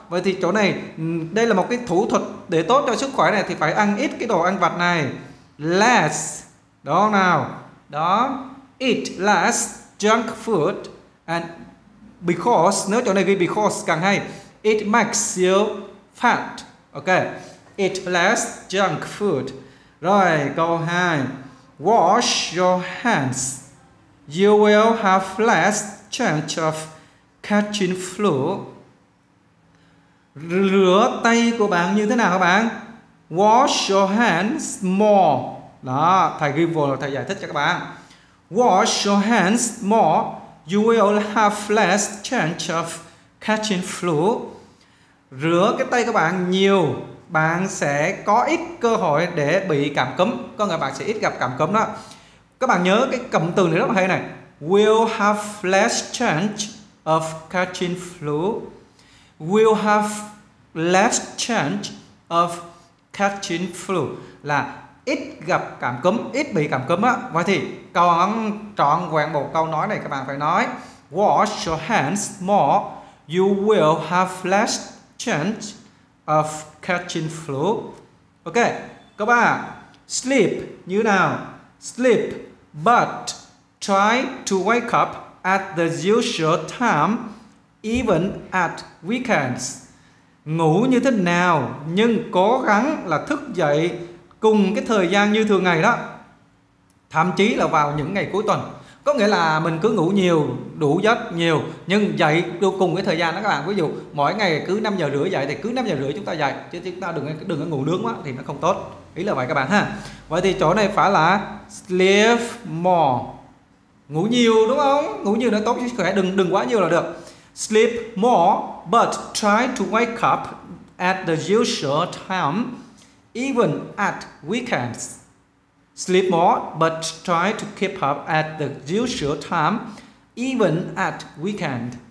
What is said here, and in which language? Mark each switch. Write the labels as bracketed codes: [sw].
[vi] Vậy thì chỗ này, đây là một cái thủ thuật để tốt cho sức khỏe này, thì phải ăn ít cái đồ ăn vặt này, less, đó nào, đó, [en] eat less junk food, [vi] and because, nếu chỗ này ghi because càng hay, [en] it makes you fat, ok, eat less junk food. Rồi câu 2, wash your hands, you will have less chance of catching flu. [vi] Rửa tay của bạn như thế nào các bạn? [en] Wash your hands more. [vi] Đó, thầy ghi vô là thầy giải thích cho các bạn. [en] Wash your hands more, you will have less chance of catching flu. [vi] Rửa cái tay của bạn nhiều, bạn sẽ có ít cơ hội để bị cảm cúm. Có nghĩa bạn sẽ ít gặp cảm cúm đó. Các bạn nhớ cái cụm từ này rất là hay này, [en] will have less chance of catching flu. Will have less chance of catching flu [vi] là ít gặp cảm cúm, ít bị cảm cúm á. Vậy thì còn trọn vẹn một câu nói này các bạn phải nói, [en] wash your hands more, you will have less chance of catching flu. [vi] Ok, các bạn, sleep như nào? [en] Sleep, but try to wake up at the usual time, even at weekends. [vi] Ngủ như thế nào nhưng cố gắng là thức dậy cùng cái thời gian như thường ngày đó, thậm chí là vào những ngày cuối tuần. Có nghĩa là mình cứ ngủ nhiều, đủ giấc nhiều nhưng dậy cùng cái thời gian đó các bạn. Ví dụ mỗi ngày cứ 5 giờ rưỡi dậy thì cứ 5 giờ rưỡi chúng ta dậy, chứ chúng ta đừng có ngủ nướng quá thì nó không tốt. Ý là vậy các bạn ha. Vậy thì chỗ này phải là sleep more, ngủ nhiều đúng không? Ngủ nhiều nó tốt cho sức khỏe, đừng quá nhiều là được. [en] Sleep more, but try to wake up at the usual time, even at weekends. Sleep more, but try to keep up at the usual time, even at weekend.